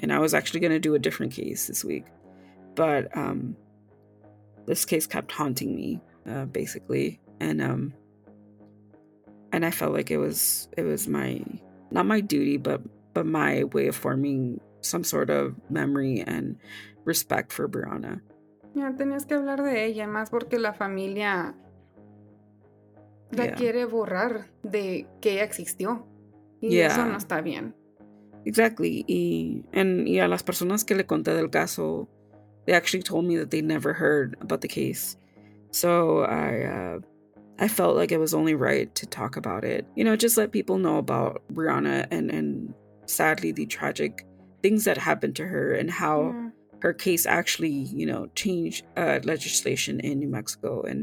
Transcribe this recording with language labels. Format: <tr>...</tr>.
<en>And I was actually going to do a different case this week. But this case kept haunting me, basically. And I felt like it was my, not my duty, but my way of forming some sort of memory and respect for Brianna.</en> <es>Ya tenías que hablar de ella, más porque la familia la quiere borrar de que ella existió. Y eso no está bien.</es> <en>Exactly.</en> <es>Y a las personas que le conté del caso,</es> <en>they actually told me that they never heard about the case. So I felt like it was only right to talk about it. You know, just let people know about Brianna and sadly the tragic things that happened to her and how her case actually, you know, changed legislation in New Mexico.</en>